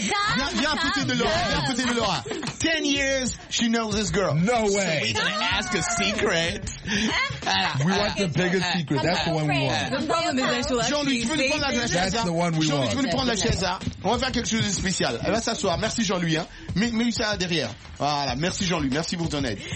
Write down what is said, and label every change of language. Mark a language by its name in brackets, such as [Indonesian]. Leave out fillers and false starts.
[French] Viens à côté de Laura, viens à côté de Laura. [English] 10 years, she knows this girl. No way. So we didn't ask a secret. We want the biggest secret, that's the one we want. [French] Jean-Louis, tu veux nous prendre la chaise? [English] That's the one we want. [French] Jean-Louis, tu veux nous prendre la chaise? On va faire quelque chose de spécial. Elle va s'asseoir, merci Jean-Louis. Hein. Mets ça derrière. Voilà, merci Jean-Louis, merci pour ton aide.